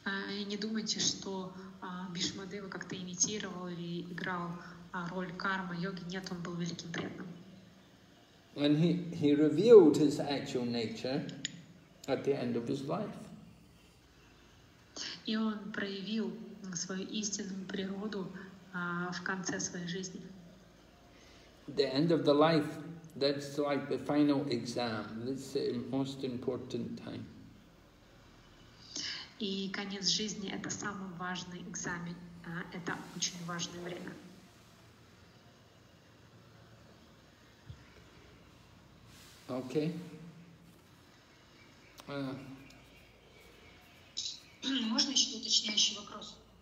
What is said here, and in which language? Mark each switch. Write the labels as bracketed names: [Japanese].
[Russian] И не думайте, что Бишма Дева как-то имитировал или играл роль карма йоги. Нет, он был великим преданным. [English] And he revealed his actual nature at the end of his life. [Russian] И он проявил свою истинную природу в конце своей жизни. [English] The end of the life, that's like the final exam. That's the most important time. [Russian] И конец жизни – это самый важный экзамен. Это очень важное время. [English] Okay. [Russian] Можно еще уточняющий вопрос?